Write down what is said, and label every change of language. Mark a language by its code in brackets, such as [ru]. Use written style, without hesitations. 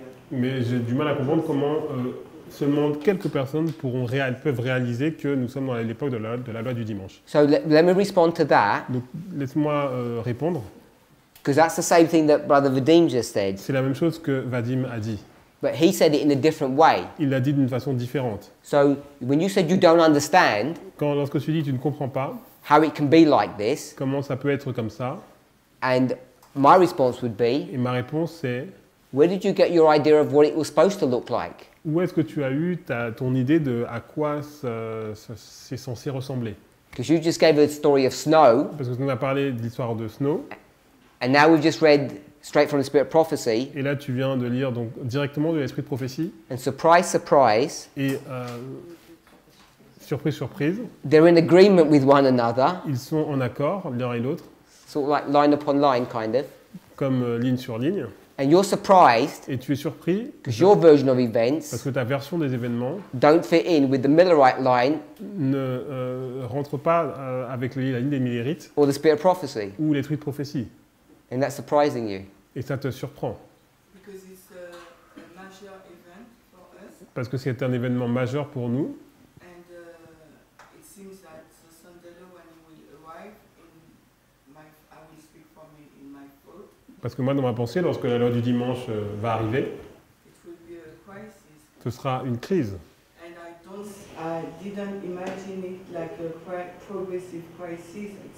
[fr] Mais j'ai du mal à comprendre comment seulement quelques personnes pourront peuvent réaliser que nous sommes dans l'époque de la loi du dimanche. [en] So let me respond to that. [fr] Donc, laisse-moi répondre. [en] Because that's the same thing that Brother Vadim just said. [fr] C'est la même chose que Vadim a dit. [en] But he said it in a different way. [fr] Il l'a dit d'une façon différente. [en] So when you said you don't understand, [fr] lorsque tu dis tu ne comprends pas, [en] how it can be like this, [fr] comment ça peut être comme ça, [en] and my response would be, [fr] et ma réponse c'est, [en] where did you get your idea of what it was supposed to look like? [fr] Où est-ce que tu as eu ton idée de à quoi c'est censé ressembler? [en] Because you just gave a story of snow. [fr] Parce que tu nous as parlé de l'histoire de snow. [en] And now we've just read straight from the spirit of prophecy. [fr] Et là, tu viens de lire donc directement de l'esprit de prophétie. [en] And surprise, surprise. [fr] Et surprise, surprise. [en] They're in agreement with one another. [fr] Ils sont en accord l'un et l'autre. [en] Sort of like line upon line, kind of. [fr] Comme ligne sur ligne. [en] And you're surprised. [fr] Et tu es surpris. [en] Because your version of events. [fr] Parce que ta version des événements. [en] Don't fit in with the Millerite line. [fr] Ne rentre pas avec la ligne des Millerites. [en] Or the spirit of prophecy. [fr] Ou l'esprit de prophétie. [en] And that's surprising you. [fr] Et ça te surprend. [en] Because it's a major event for us. [fr] Parce que c'est un événement majeur pour nous. [en] And it seems that the Sandalo when he will arrive in my I will speak for me in my thought. [fr] Parce que moi dans ma pensée lorsque la loi du dimanche va arriver. [en] It will be a crisis. [fr] Ce sera une crise. [en] And I didn't imagine it like a progressive crisis.